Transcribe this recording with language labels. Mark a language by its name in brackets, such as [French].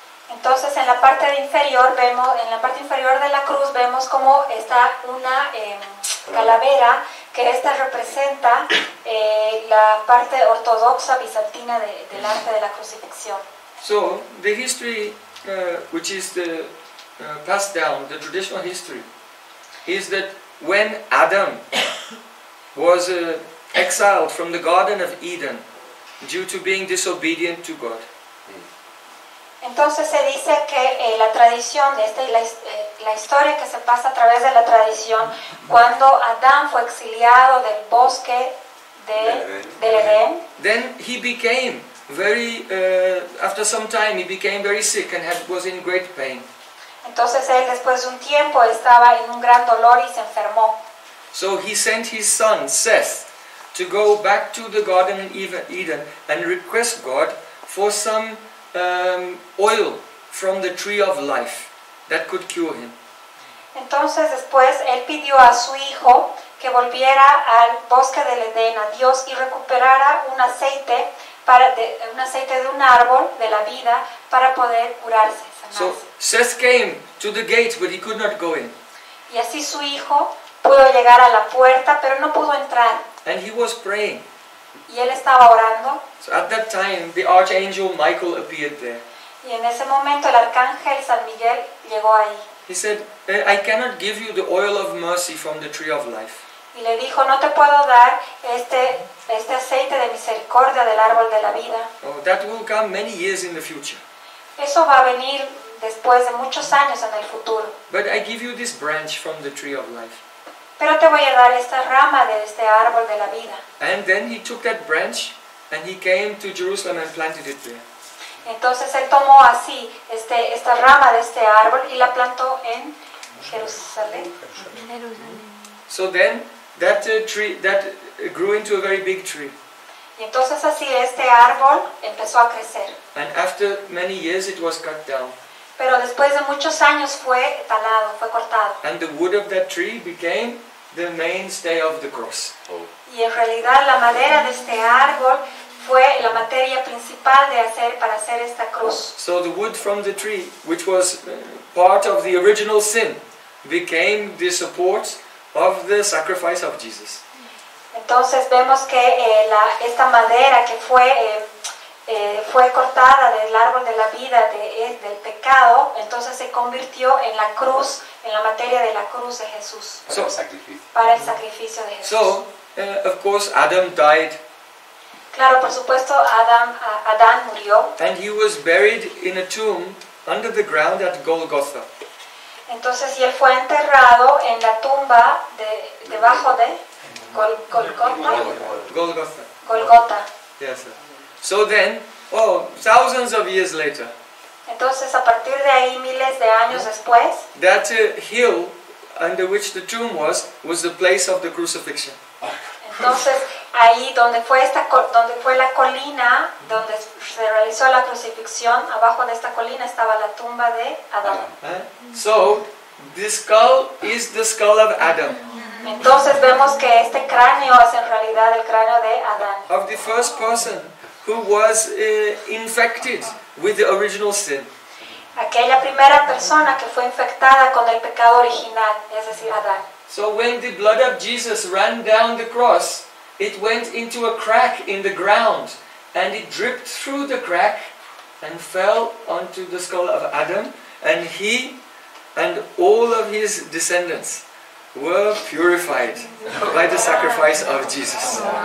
[Spanish] Entonces, en la parte de inferior vemos, en la parte inferior de la cruz vemos cómo está una calavera que esta representa la parte ortodoxa bizantina del arte de la crucifixión. [English] So the history, which is the passed down, the traditional history, is that when Adam was exiled from the Garden of Eden due to being disobedient to God. [Spanish] Entonces se dice que la tradición, la historia que se pasa a través de la tradición, cuando Adán fue exiliado del bosque del Edén. [English] Then he became very, after some time he became very sick and was in great pain. [Spanish] Entonces él después de un tiempo estaba en un gran dolor y se enfermó. [English] So he sent his son Seth to go back to the Garden of Eden and request God for some oil from the tree of life that could cure him. [Spanish] Entonces después él pidió a su hijo que volviera al bosque del Edén a Dios y recuperara un aceite de un árbol de la vida para poder curarse, sanarse. [English] So Seth came to the gate but he could not go in. [Spanish] Y así su hijo pudo llegar a la puerta pero no pudo entrar. [English] And he was praying. [Spanish] Y él estaba orando. [English] So at that time, the archangel Michael appeared there. [Spanish] Y en ese momento el arcángel San Miguel llegó ahí. [English] He said, "I cannot give you the oil of mercy from the tree of life." [Spanish] Y le dijo, "No te puedo dar este aceite de misericordia del árbol de la vida." [English] Oh, that will come many years in the future. [Spanish] Eso va a venir después de muchos años en el futuro. [English] But I give you this branch from the tree of life. [Spanish] Pero te voy a dar esta rama de este árbol de la vida. [English] And then he took that branch and he came to Jerusalem and planted it there. [Spanish] Entonces él tomó así esta rama de este árbol y la plantó en Jerusalén. [English] So then that tree that grew into a very big tree. [Spanish] Y entonces así este árbol empezó a crecer. [English] And after many years it was cut down. [Spanish] Pero después de muchos años fue talado, fue cortado. [English] And the wood of that tree became the mainstay of the cross. [Spanish] Y en realidad la madera de este árbol fue la materia principal de hacer para hacer esta cruz. [English] So the wood from the tree, which was part of the original sin, became the support of the sacrifice of Jesus. [Spanish] Entonces vemos que esta madera que fue cortada del árbol de la vida del pecado, entonces se convirtió en la cruz, en la materia de la cruz de Jesús. Para el sacrificio de Jesús. [English] So, of course, Adam died. [Spanish] Claro, por supuesto, Adán murió. [English] And he was buried in a tomb under the ground at Golgotha. [Spanish] Entonces, y él fue enterrado en la tumba debajo de [English] Golgotha. Yes, sir. So then, thousands of years later. [Spanish] Entonces, a partir de ahí, miles de años después. [English] That hill under which the tomb was the place of the crucifixion. [Spanish] Entonces, ahí donde fue la colina donde se realizó la crucifixión, abajo de esta colina estaba la tumba de Adán. [English] So, this skull is the skull of Adam. [Spanish] Entonces vemos que este cráneo es en realidad el cráneo de Adán. [English] Of the first person who was infected with the original sin. [Spanish] Aquella primera persona que fue infectada con el pecado original, es decir, Adán. [English] So when the blood of Jesus ran down the cross, it went into a crack in the ground and it dripped through the crack and fell onto the skull of Adam, and he and all of his descendants were purified by the sacrifice of Jesus.